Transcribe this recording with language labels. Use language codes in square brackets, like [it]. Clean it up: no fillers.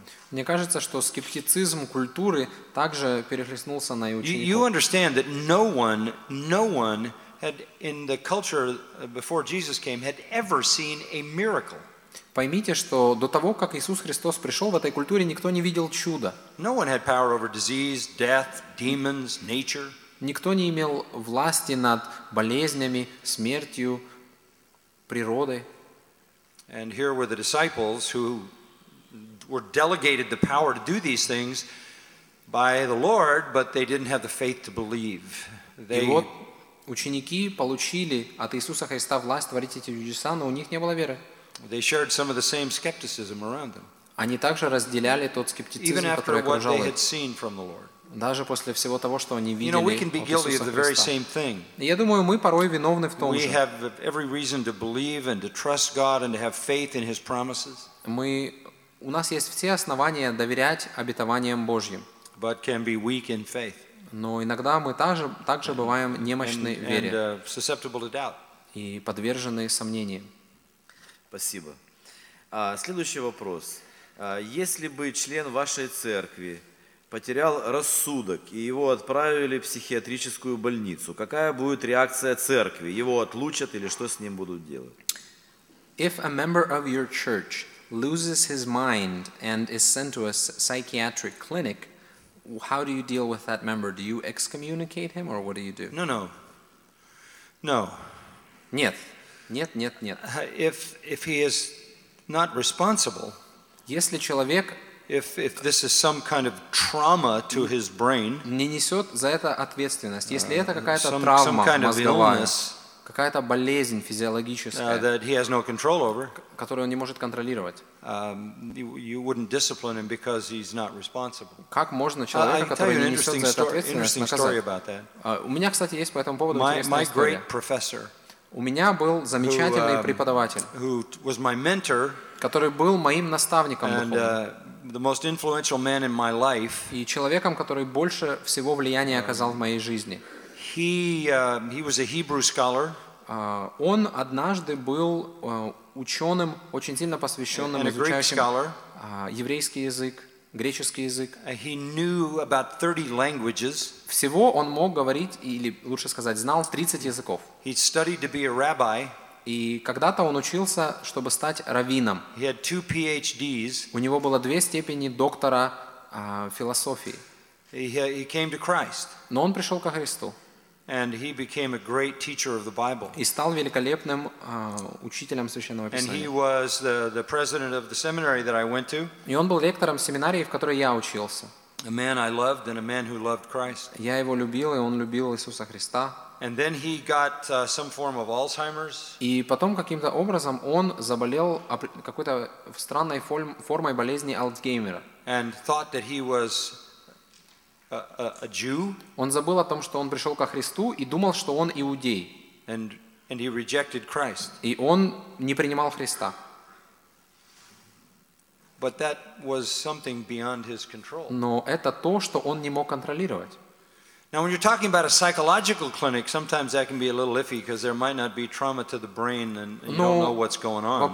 [ru] Мне кажется, что скептицизм культуры также перехлестнулся на учеников. [en] You understand that no one had in the culture before Jesus came had ever seen a miracle. [ru] Поймите, что до того, как Иисус Христос пришел, в этой культуре никто не видел чуда. [en] No one had power over disease, death, demons, nature. [ru] Никто не имел власти над болезнями, смертью, природой. [en] And here were the disciples who were delegated the power to do these things by the Lord, but they didn't have the faith to believe. [ru] И вот ученики получили от Иисуса Христа власть творить эти чудеса, но у них не было веры. [en] They shared some of the same skepticism around them. [ru] Они также разделяли тот скептицизм, который окружал их. [en] Even after what they had seen from the Lord. [ru] Даже после всего того, что они видели, [en] you know, we can be guilty of the very same thing. [ru] Я думаю, мы порой виновны в том же. [en] We have every reason to believe and to trust God and to have faith in His promises. [ru] У нас есть все основания доверять обетованиям Божьим. [en] But can be weak in faith. [ru] Но иногда мы также бываем немощны в вере. [en] And susceptible to doubt. [ru] И подвержены сомнениям. Спасибо. Следующий вопрос. Если бы член вашей церкви потерял рассудок, и его отправили в психиатрическую больницу. Какая будет реакция церкви? Его отлучат или что с ним будут делать? [en] If a member of your church loses his mind and is sent to a psychiatric clinic, how do you deal with that member? Do you excommunicate him or what do you do? No. [ru] Нет. [en] If he is not responsible, [ru] если человек [en] If this is some kind of trauma to his brain, [ru] не несет за это ответственность. Если это какая-то травма мозговая, какая-то болезнь физиологическая, [en] that he has no control over, [ru] которую он не может контролировать, [en] you wouldn't discipline him because he's not responsible. [ru] Как можно человека, который не несет за это ответственность, наказать? У меня, кстати, есть по этому поводу интересная история. [en] My great professor, [ru] у меня был замечательный преподаватель, [en] who was my mentor, [ru] который был моим наставником. [en] The most influential man in my life. [ru] И человеком, который больше всего влияния оказал в моей жизни. [en] He was a Hebrew scholar. [ru] Он однажды был ученым, очень сильно посвященным изучающим еврейский язык, греческий язык. [en] He knew about 30 languages. [ru] Всего он мог говорить или лучше сказать, знал 30 языков. [en] He studied to be a rabbi. [ru] И когда-то он учился, чтобы стать раввином. [en] He had two PhDs. [ru] У него было две степени доктора философии. [en] He came to Christ. [ru] Но он пришел ко Христу. [en] And he became a great teacher of the Bible. [ru] И стал великолепным учителем Священного Писания. [en] And he was the president of the seminary that I went to. [ru] И он был ректором семинарии, в которой я учился. [en] A man I loved and a man who loved Christ. [ru] Я его любил, и он любил Иисуса Христа. [en] And then he got some form of Alzheimer's. [ru] И потом каким-то образом он заболел какой-то странной формой болезни Альцгеймера. [en] and thought that he was a Jew. [ru] Он забыл о том, что он пришел ко Христу и думал, что он иудей. [en] And he rejected Christ. [ru] И он не принимал Христа. [en] But that was something beyond his control. [ru] Но это то, что он не мог контролировать. [en] Now, when you're talking about a psychological clinic, sometimes that can be a little iffy because there might not be trauma to the brain, and you don't know what's going on.